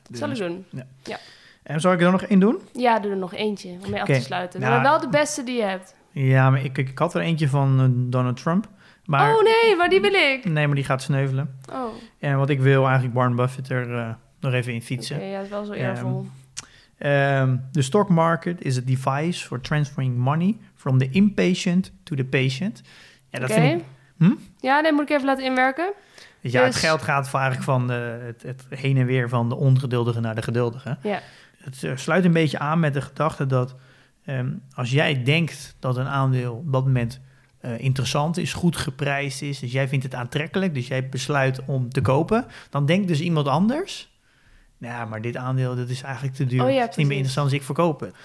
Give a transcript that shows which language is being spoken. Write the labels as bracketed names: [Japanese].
[Dutch] Dat zal ik doen. Ja. Ja. En zal ik er nog één doen? Ja, doe er nog eentje om mee af te sluiten. Nou, wel de beste die je hebt. Ja, maar ik had er eentje van Donald Trump. Maar, oh nee, maar die wil ik. Nee, maar die gaat sneuvelen. Oh. En wat ik wil eigenlijk Warren Buffett er nog even in fietsen. Okay, ja, dat is wel zo eervol. [English] The stock market is a device for transferring money from the impatient to the patient. [Dutch] Ja, dat vind ik, Ja, nee, moet ik even laten inwerken. Ja, dus het geld gaat vaak van het heen en weer van de ongeduldige naar de geduldige. Ja. Het sluit een beetje aan met de gedachte dat als jij denkt dat een aandeel op dat moment interessant is, goed geprijsd is, dus jij vindt het aantrekkelijk, dus jij besluit om te kopen, dan denkt dus iemand anders, nou, maar dit aandeel, dat is eigenlijk te duur, het is niet meer interessant, dus ik verkoop het.